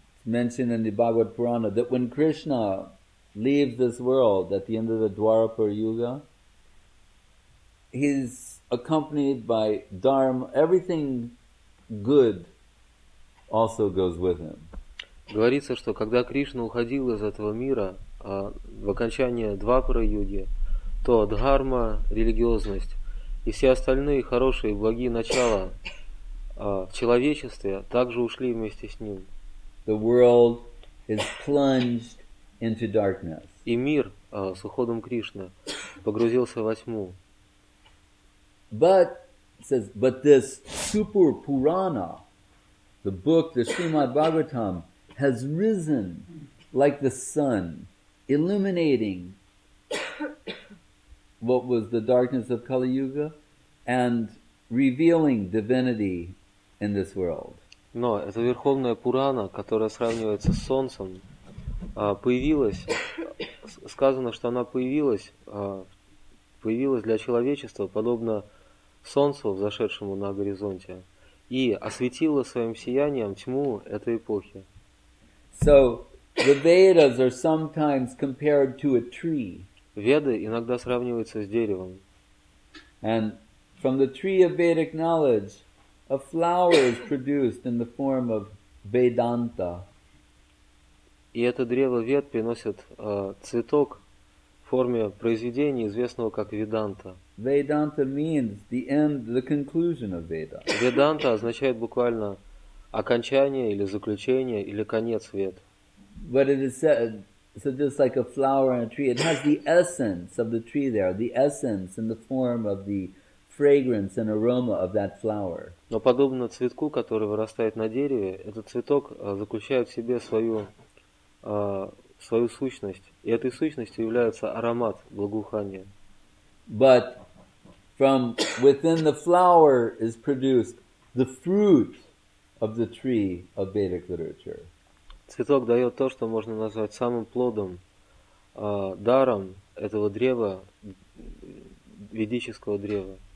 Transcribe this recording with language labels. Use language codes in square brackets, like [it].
[en] It's mentioned in the Bhagavad Purana that when Krishna leaves this world at the end of the Dwarapar Yuga, he's accompanied by dharma. Everything good also goes with him. [ru] Говорится, что когда Кришна уходил из этого мира в окончание Двапара Юги, то дхарма, религиозность и все остальные хорошие и благие начала в человечестве также ушли вместе с ним. [en] The world is plunged into darkness. [ru] И мир с уходом Кришны погрузился во тьму. [en] But this Super Purana, the book, the Srimad Bhagavatam, has risen like the sun, illuminating what was the darkness of Kali Yuga and revealing divinity in this world. [ru] Но эта Верховная Пурана, которая сравнивается с солнцем, появилась, сказано, что она появилась для человечества, подобно солнцу, взошедшему на горизонте, и осветила своим сиянием тьму этой эпохи. [en] So the Vedas are sometimes compared to a tree. [ru] Веды иногда сравниваются с деревом. [en] And from the tree of Vedic knowledge, a flower is produced in the form of Vedanta. [ru] И это древо Вед приносит цветок в форме произведения, известного как Веданта. [en] Vedanta means the end, the conclusion of Veda. [ru] Веданта означает буквально окончание или заключение или конец вет. [en] But it is said, so just like a flower on a tree, it has the essence of the tree there, the essence in the form of the fragrance and aroma of that flower. [ru] Но подобно цветку, который вырастает на дереве, этот цветок заключает в себе свою сущность, и этой сущностью является аромат, благоухание. [en] But from within the flower is produced the fruit of the tree of Vedic literature. [ru] Цветок дает то, что можно назвать самым плодом, даром этого древа, ведического древа.